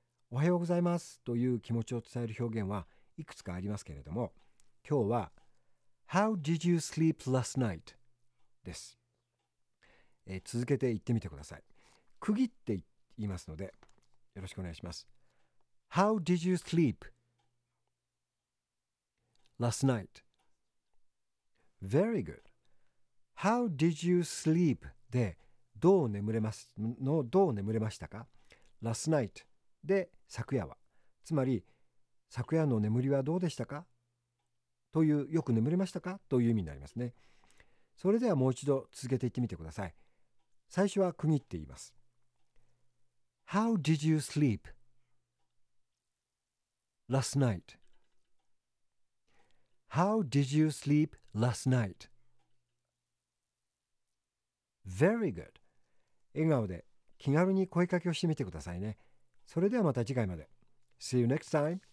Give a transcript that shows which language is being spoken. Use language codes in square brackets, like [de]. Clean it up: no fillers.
[ja] おはようございますという気持ちを伝える表現はいくつかありますけれども、今日は [en] How did you sleep last night? [ja] です。続けて言ってみてください。区切って言いますのでよろしくお願いします。 [en] How did you sleep last night? Very good. How did you sleep? [ja] でどう眠れますのどう眠れましたか [en] Last night [ja] で昨夜はつまり昨夜の眠りはどうでしたかというよく眠れましたかという意味になりますね。それではもう一度続けて言ってみてください。最初は区切って言います。 [en] How did you sleep last night? How did you sleep last night? Very good. [ja] 笑顔で気軽に声かけをしてみてくださいね。それではまた次回まで。 [en] See you next time.